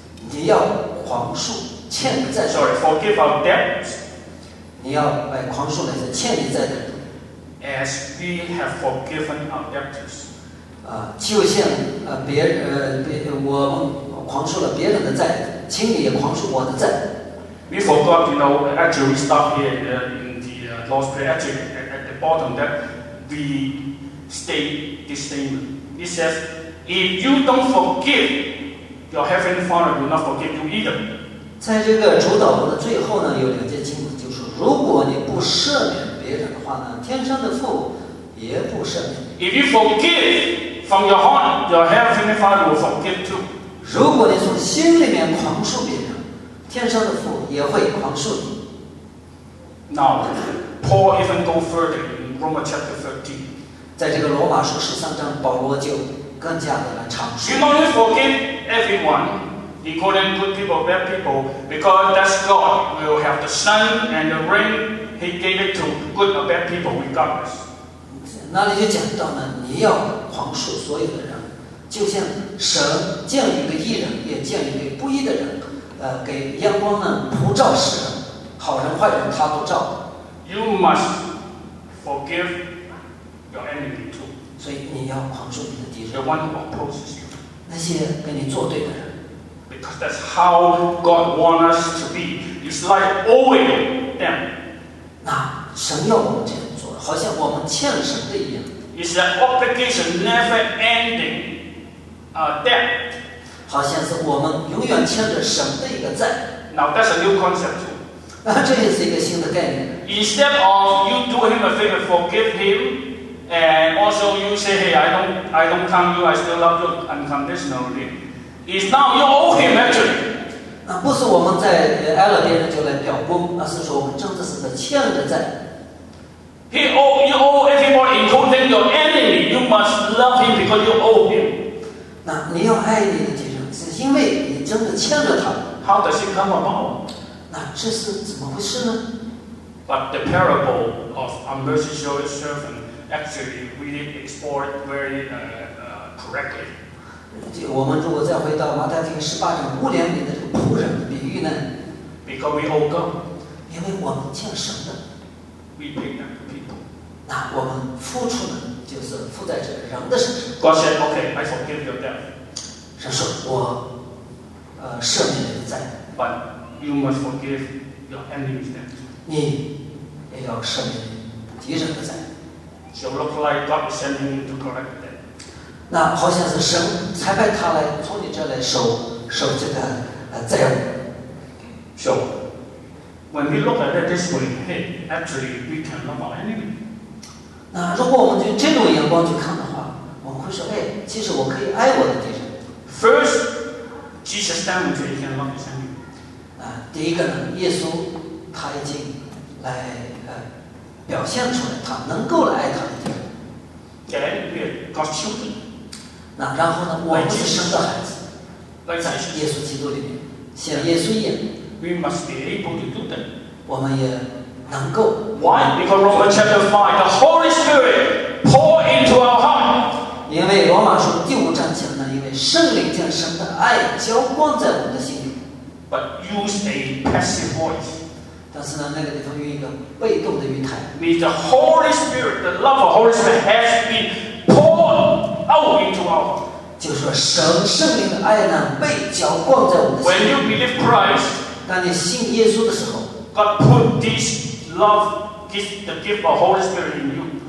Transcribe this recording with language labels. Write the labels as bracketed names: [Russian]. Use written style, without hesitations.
[Chinese] 你要宽恕欠你债。 [English] Sorry, forgive our debts。 [Chinese] 你要来宽恕那些欠你债的人。 [English] As we have forgiven our debtors。 [Chinese] 就像我宽恕了别人的债，请你也宽恕我的债。 [English] We forgot, you know, actually we stop here in the Lord's Prayer, actually at the bottom that we state this statement. It says, if you don't forgive, your Heavenly Father will not forgive you either. [Chinese] 在这个主导文的最后呢，有两件经文，就是如果你不赦免别人的话呢，天上的父也不赦免。 [English] If you forgive from your heart, your Heavenly Father will forgive too. [Chinese] 如果你从心里面宽恕别人，天上的父也会宽恕你。 [English] Now, Paul even go further in Romans chapter 13. [Chinese] 在这个罗马书十三章，保罗就更加的来阐述。 [English] You must forgive everyone, including good people, bad people, because that's God will have the sun and the rain. He gave it to good or bad people regardless. [Chinese] 那里就讲到呢，你要宽恕所有的人，就像神见一个义人，也见一个不义的人。给阳光呢普照世人，好人坏人他都照。 [English] You must forgive your enemy too. [Chinese] 所以你要宽恕你的敌人。 [English] The one who opposes you. [Chinese] 那些跟你作对的人。 [English] Because that's how God wants us to be. It's like owing them. [Chinese] 那神要我们这样做，好像我们欠了神的一样。 [English] It's an obligation never ending, debt. [Chinese] 好像是我们永远欠着神的一个债。 [English] Now that's a new concept. [Chinese] 这也是一个新的概念。 [English] Instead of you do him a favor, forgive him, and also you say, hey, I don't count you, I still love you unconditionally. It's now you owe him actually. [Chinese] 那不是我们在爱了别人就来表功，而是说我们真的是在欠着债。 [English] You owe everyone, including your enemy. You must love him because you owe him. [Chinese] 那你要爱你的。因为你真的欠了他。 [English] How does it come about? [Chinese] 那这是怎么回事呢？ [English] But the parable of unmerciful servant actually really explored very correctly. [Chinese] 我们如果再回到马太福音十八章五连里的这个仆人比喻呢？ [English] Because we owe God. [Chinese] 因为我们欠神的。 [English] We pay that to people. [Chinese] 那我们付出呢，就是付在这人的身上。 [English] God said, "Okay, I forgive your debt." [Chinese] 神说：“我，赦免你的债。 [English] ”But you must forgive your enemy's debt. [Chinese] 你也要赦免敌人的债。 [English] So look like God is sending you to collect them. [Chinese] 那好像是神差派他来从你这来收这个债务。 [English] So when we look at it this way, hey, actually we can love our enemy. [Chinese] 那如果我们用这种眼光去看的话，我们会说：“哎，其实我可以爱我的敌人。” [English] First, Jesus demonstrated he can love his enemy. [Chinese] 第一个呢，耶稣他已经来表现出来他能够来爱他的敌人。 [English] Then we got children. [Chinese] 那然后呢，我们是神的孩子。 [English] Like Jesus. [Chinese] 在耶稣基督里面，像耶稣一样。 [English] We must be able to do that. [Chinese] 我们也能够。 [English] Why? Because Romans chapter 5, the Holy Spirit pour into our heart. [Chinese] 因为罗马书第五章讲。因为圣灵将神的爱浇灌在我们的心里。 [English] But use a passive voice. [Chinese] 但是呢，那个地方用一个被动的语态。 [English] May the Holy Spirit, the love of Holy Spirit, has been poured out into our heart. [Chinese] 就是说，神圣灵的爱呢，被浇灌在我们的心里。 [English] When you believe Christ, [Chinese] 当你信耶稣的时候 [English] ，God put this love, this the gift of Holy Spirit in you.